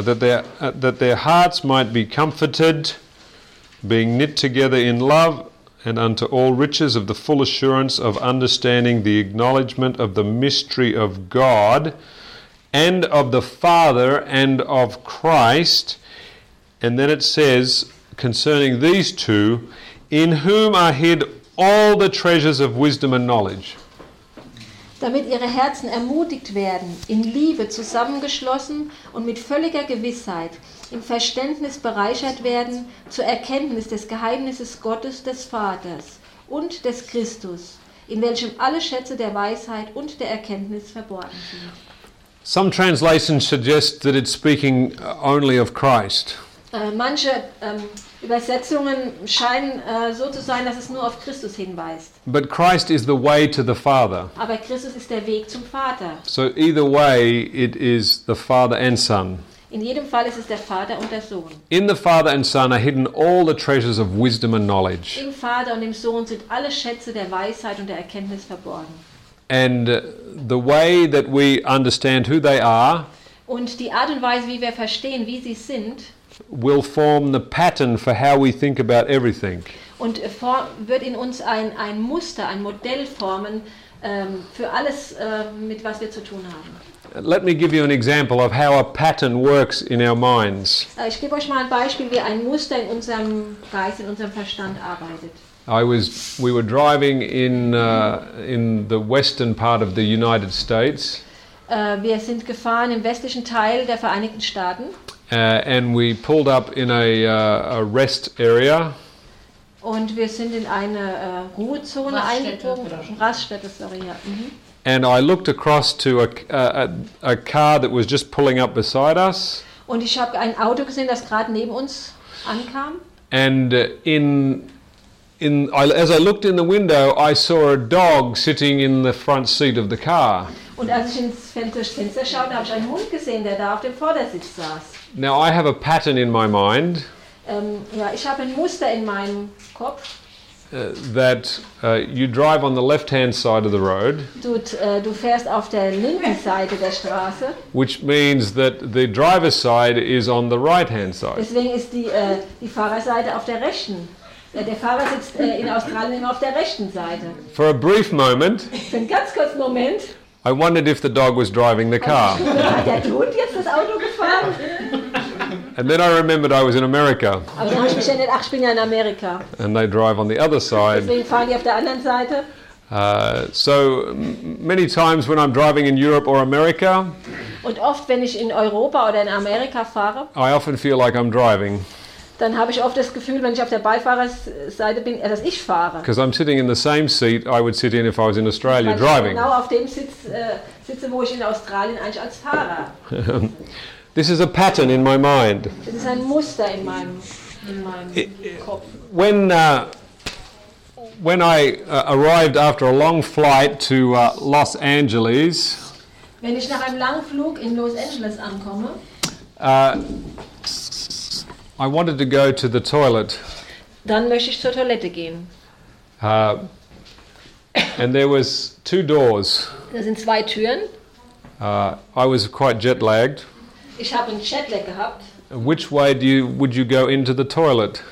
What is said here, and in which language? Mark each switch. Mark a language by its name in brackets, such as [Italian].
[English] That their hearts might be comforted, being knit together in love, and unto all riches of the full assurance of understanding the acknowledgement of the mystery of God, and of the Father and of Christ. And then it says concerning these two, in whom are hid all the treasures of wisdom and knowledge. [German] Damit ihre Herzen ermutigt werden, in Liebe zusammengeschlossen und mit völliger Gewissheit im Verständnis bereichert werden zur Erkenntnis des Geheimnisses Gottes des Vaters und des Christus, in welchem alle Schätze der Weisheit und der Erkenntnis verborgen sind. [English] Some translations suggest that it's speaking only of Christ. [German] Manche Übersetzungen scheinen so zu sein, dass es nur auf Christus hinweist. [English] But Christ is the way to the Father. [German] Aber Christus ist der Weg zum Vater. [English] So either way, it is the Father and Son. [German] In jedem Fall ist es der Vater und der Sohn. [English] In the Father and Son are hidden all the treasures of wisdom and knowledge. [German] Im Vater und im Sohn sind alle Schätze der Weisheit und der Erkenntnis verborgen. [English] And the way that we understand who they are. [German] Und die Art und Weise, wie wir verstehen, wie sie sind. [English] Will form the pattern for how we think about everything. [German] Und wird in uns ein Muster, ein Modell formen für alles, mit was wir zu tun haben. [English] Let me give you an example of how a pattern works in our minds. [German] Ich gebe euch mal ein Beispiel, wie ein Muster in unserem Geist, in unserem Verstand arbeitet. [English] We were driving in the western part of the United States. [German] Wir sind gefahren im westlichen Teil der Vereinigten Staaten. [English] And we pulled up in a rest area. [German] Und wir sind in eine Ruhezone eingetroffen, Raststätte, sorry. Ja. Mhm. [English] And I looked across to a car that was just pulling up beside us. [German] Und ich habe ein Auto gesehen, das gerade neben uns ankam. [English] And as I looked in the window, I saw a dog sitting in the front seat of the car. [German] Und als ich ins Fenster schaute, habe ich einen Hund gesehen, der da auf dem Vordersitz saß. [English] Now I have a pattern in my mind. [German] Ja, ich habe ein Muster in meinem Kopf. [English] That you drive on the left-hand side of the road. [German] Du fährst auf der linken Seite der Straße. [English] Which means that the driver's side is on the right-hand side. [German] Deswegen ist die Fahrerseite auf der rechten. Der Fahrer sitzt in Australien immer auf der rechten Seite. [English] For a brief moment. [German] Für einen ganz kurzen Moment. [English] I wondered if the dog was driving the car. [German] Hat der Hund jetzt das Auto gefahren? [English] And then I remembered I was in America. [German] Aber dann habe ich mich erinnert, ach, ich bin ja in Amerika. [English] And they drive on the other side. [German] Deswegen fahren die auf der anderen Seite. [English] So many times when I'm driving in Europe or America. [German] Und oft, wenn ich in Europa oder in Amerika fahre. [English] I often feel like I'm driving. [German] Dann habe ich oft das Gefühl, wenn ich auf der Beifahrerseite bin, dass ich fahre. [English] Because I'm sitting in the same seat I would sit in if I was in Australia driving. [German] Genau auf dem Sitz sitze, wo ich in Australien eigentlich als Fahrer. [English] This is a pattern in my mind. [German] Das ist ein Muster in meinem Kopf. [English] When I arrived after a long flight to Los Angeles. [German] Wenn ich nach einem langen Flug in Los Angeles ankomme. [English] I wanted to go to the toilet. [German] Dann möchte ich zur Toilette gehen. [English] And there was two doors. [German] Da sind zwei Türen. [English] I was quite jet lagged. [German] Ich habe einen Jetlag gehabt. [English] Which way would you go into the toilet?